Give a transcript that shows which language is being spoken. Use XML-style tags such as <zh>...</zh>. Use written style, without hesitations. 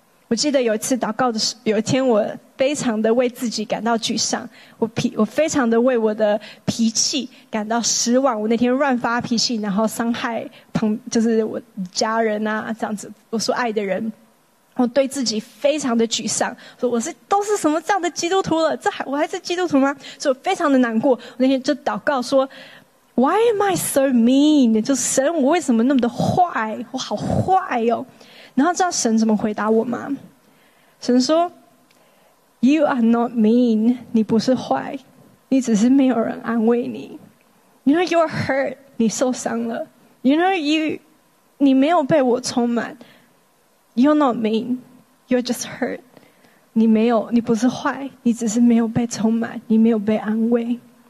<zh>我记得有一次祷告的时候，有一天我非常的为自己感到沮丧， 我非常的为我的脾气感到失望。我那天乱发脾气，然后伤害就是我家人啊，这样子，我所爱的人，我对自己非常的沮丧，说我是都是什么这样的基督徒了，这还我还是基督徒吗？所以我非常的难过。我那天就祷告说</zh> <en>Why am I so mean?</en> <zh>就神，我为什么那么的坏？我好坏哦！然后知道神怎么回答我吗？神说</zh> <en>：“You are not mean.</en> <zh>你不是坏，你只是没有人安慰你。</zh> <en>You know you are hurt.</en> <zh>你受伤了。</zh> <en>You know you</en> <zh>你没有被我充满。</zh> <en>You're not mean. You're just hurt.</en> <zh>你没有，你不是坏，你只是没有被充满，你没有被安慰。”</zh>